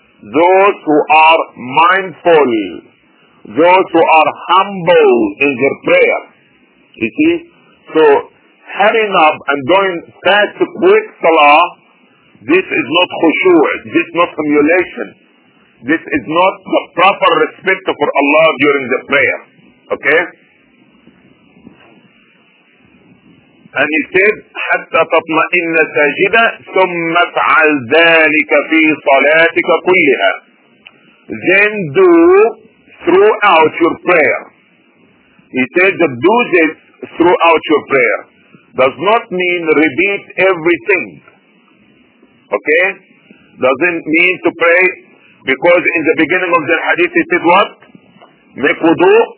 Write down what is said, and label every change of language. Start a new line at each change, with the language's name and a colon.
English: Those who are mindful. Those who are humble in their prayer. You see? So, hurrying up and doing fast, quick salah, this is not khushu', this is not emulation. This is not the proper respect for Allah during the prayer. Okay? And he said,
Arabic: حَتَّى تَطْمَئِنَّ سَاجِدًا ثُمَّ فَعَلْ ذَلِكَ فِي صَلَاتِكَ كُلِّهَا.
English: Then do throughout your prayer. He said, do this throughout your prayer. Does not mean repeat everything. Okay? Doesn't mean to pray. Because in the beginning of the hadith, he said what? Make wudu.